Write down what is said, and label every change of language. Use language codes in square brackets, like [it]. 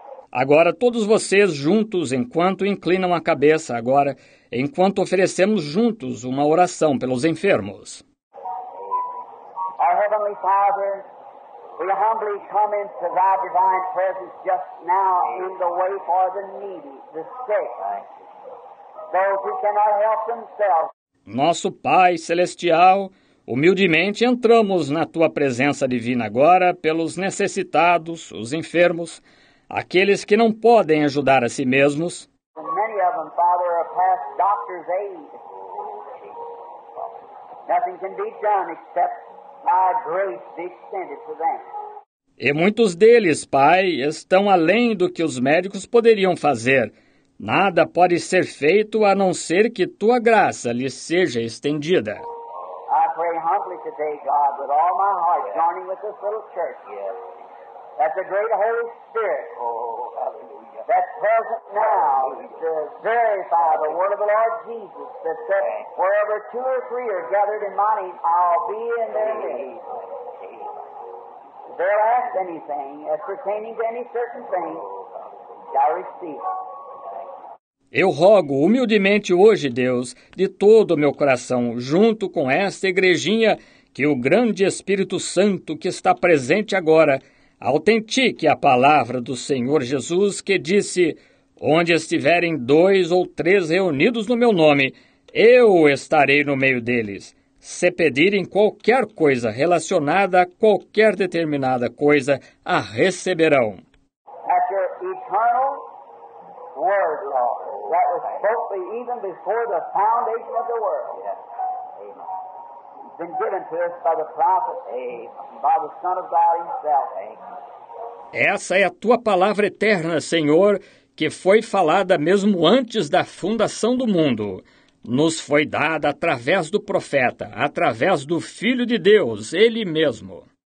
[pt] Agora todos vocês juntos, enquanto inclinam a cabeça agora, enquanto oferecemos juntos uma oração pelos enfermos. [en] Our Heavenly Father, we humbly come into thy divine presence just now in the way for the needy, the sick, those who cannot help themselves. [pt] Nosso Pai Celestial, humildemente entramos na tua presença divina agora pelos necessitados, os enfermos, aqueles que não podem ajudar a si mesmos. [en] Many of them, Father, are past doctor's aid. Nothing can be done except by grace be extended to them. [pt] E muitos deles, Pai, estão além do que os médicos poderiam fazer. Nada pode ser feito a não ser que tua graça lhes seja estendida. [en] Pray humbly today, God, with all my heart, joining with this little church. Yes. That the great Holy Spirit, oh, hallelujah, that's present now, to verify the word of the Lord Jesus, that said, wherever two or three are gathered in my name, I'll be in their midst. If they'll ask anything as pertaining to any certain thing, shall receive. [pt] Eu rogo humildemente hoje, Deus, de todo o meu coração, junto com esta igrejinha, Que o grande Espírito Santo que está presente agora autentique a palavra do Senhor Jesus que disse: onde estiverem dois ou três reunidos no meu nome, eu estarei no meio deles. Se pedirem qualquer coisa relacionada a qualquer determinada coisa, a receberão. [en] At your eternal word, Lord, that was spoken even before the foundation of the world. Yes. Amen. Been given to us by the prophet, by the Son of God himself. Amen. [pt] Essa é a tua palavra eterna, Senhor, que foi falada mesmo antes da fundação do mundo. Nos foi dada através do profeta, através do Filho de Deus, Ele mesmo.